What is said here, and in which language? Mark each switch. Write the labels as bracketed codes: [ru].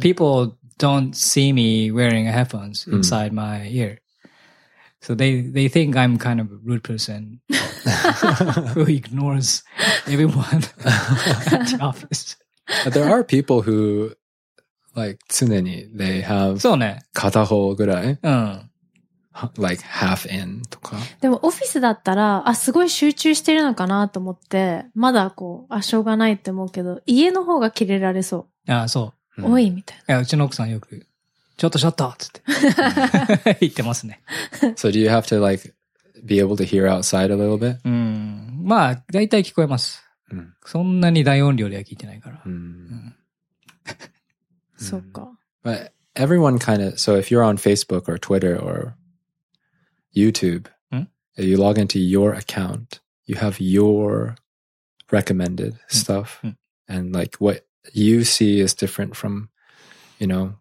[en] People don't see me wearing headphones inside my ear. So they think I'm kind of a rude person who ignores everyone at the office. But there are people who, like, 常にthey have [ja] そうね片方ぐらい、うん、 [en] like half in とか。 [ja] でもオフィスだったら、あ、すごい集中してるのかなと思って、まだこう、あ、しょうがないって思うけど、家の方がキレられそう。あ、そう。多いみたいな。いや、うちの奥さんよく。ちょっとシャッターっつって言ってますね。 [en] So do you have to like be able to hear outside a little bit? [ja] まあ大体聞こえます。そんなに大音量では聞いてないから。そっか。 [en] But everyone kind of so if you're on Facebook or Twitter or YouTube, if you log into your account, you have your recommended stuff, and like what you see is different from, you know.